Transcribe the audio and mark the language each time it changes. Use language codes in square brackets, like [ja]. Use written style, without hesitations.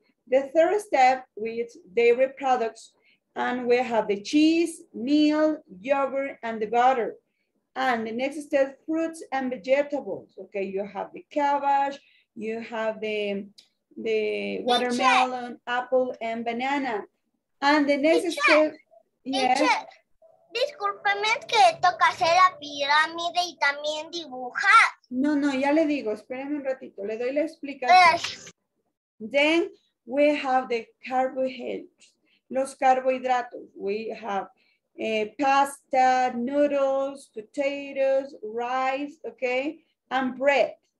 [en] The third step with dairy products, and we have the cheese, milk, yogurt, and the butter. And the next step, fruits and vegetables. Okay, you have the cabbage, you have the watermelon, apple, and banana. And the next step, yes. [es] Discúlpeme que toca hacer la pirámide y también dibujar. No, no, ya le digo, espérenme un ratito, le doy la explicación. [en] Then we have the carbohydrates, [es] los carbohidratos. [en] We have pasta, noodles, potatoes, rice, okay, and bread.